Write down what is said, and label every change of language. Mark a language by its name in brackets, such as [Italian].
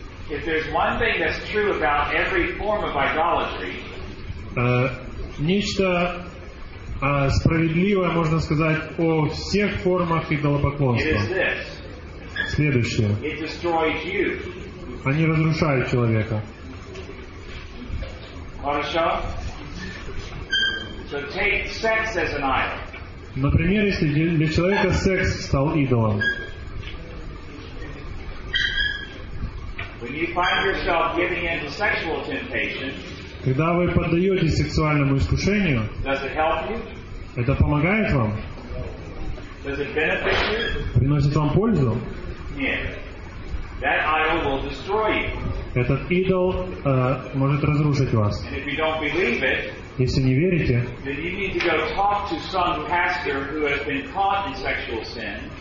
[English] If there's one thing that's true about every form of idolatry, [Russian] нечто справедливое, можно сказать, о всех формах идолопоклонства. [English] It is this. [Russian] Следующее. [English] It destroys you. [Russian] Они разрушают человека. Хорошо. [English] So take sex as an idol. [Russian] Например, если для человека секс стал идолом. [English] When you find yourself giving in to sexual temptation, [Russian] когда вы поддаетесь сексуальному искушению, [English] does it help you? [Russian] Это помогает вам? [English] Does it benefit you? [Russian] Приносит вам пользу? [English] Yes. That idol will destroy you. [Russian] Этот идол может разрушить вас. [English] And if you don't believe it, [Russian] если не верите, [English] then you need to go talk to some pastor who has been caught in sexual sin.